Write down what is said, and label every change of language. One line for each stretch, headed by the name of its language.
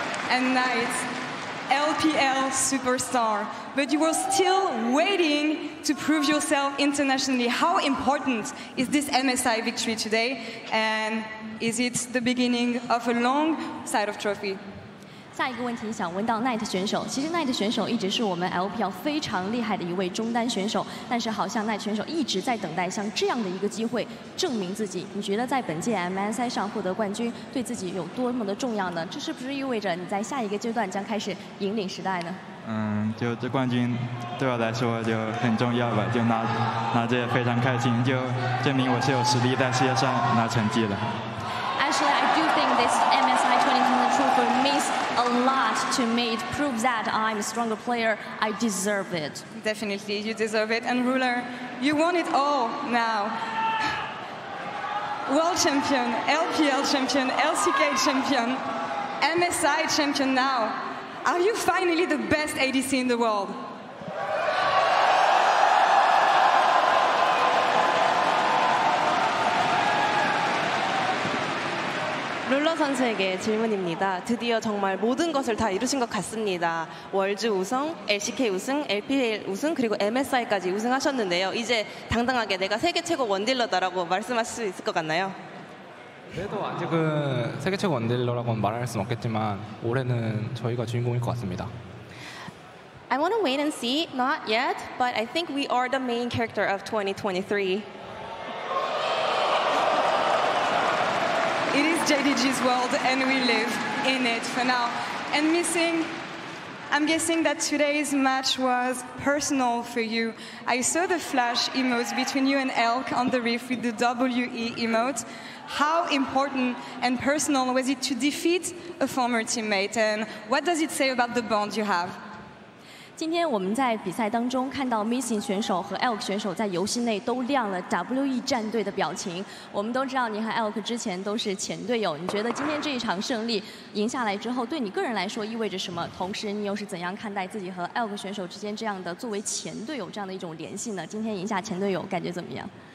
English: And Knight, LPL superstar, but you were still waiting to prove yourself internationally. How important is this MSI victory today, and is it the beginning of a long side of trophy?
Chinese: 下一个问题想问到 Knight 选手，其实 Knight 选手一直是我们 LPL 非常厉害的一位中单选手，但是好像 Knight 选手一直在等待像这样的一个机会证明自己。你觉得在本届 MSI 上获得冠军，对自己有多么的重要呢？这是不是意味着你在下一个阶段将开始引领时代呢？嗯，就这冠军对我来说就很重要吧，就拿这非常开心，就证明我是有实力在世界上拿成绩的。
English: Actually, I do think this MSI 2020 trophy means a lot to me. It proves that I'm a stronger player. I deserve it. Definitely, you deserve it. And Ruler, you want it all now. World champion, LPL champion, LCK champion, MSI champion now. Are you finally the best ADC in the world?
Korean: Ruler 선수에게 질문입니다. 드디어 정말 모든 것을 다 이루신 것 같습니다. 월즈 우승, LCK 우승, LPL 우승, 그리고 MSI까지 우승하셨는데요. 이제 당당하게 내가 세계 최고 원딜러다라고 말씀하실 수 있을 것 같나요? 그래도 아직은 세계 최고 원딜러라고는 말할 수는 없겠지만 올해는 저희가 주인공일 것 같습니다.
English: I want to wait and see. Not yet, but I think we are the main character of 2023. It is JDG's world, and we live in it for now. And missing, I'm guessing that today's match was personal for you. I saw the flash emotes between you and Elk on the reef with the WE emote. How important and personal was it to defeat a former teammate? And what does it say about the bond you have?
Chinese: 今天我们在比赛当中看到 Missing 选手和 Elk 选手在游戏内都亮了 WE 战队的表情。我们都知道你和 Elk 之前都是前队友，你觉得今天这一场胜利赢下来之后，对你个人来说意味着什么？同时，你又是怎样看待自己和 Elk 选手之间这样的作为前队友这样的一种联系呢？今天赢下前队友感觉怎么样？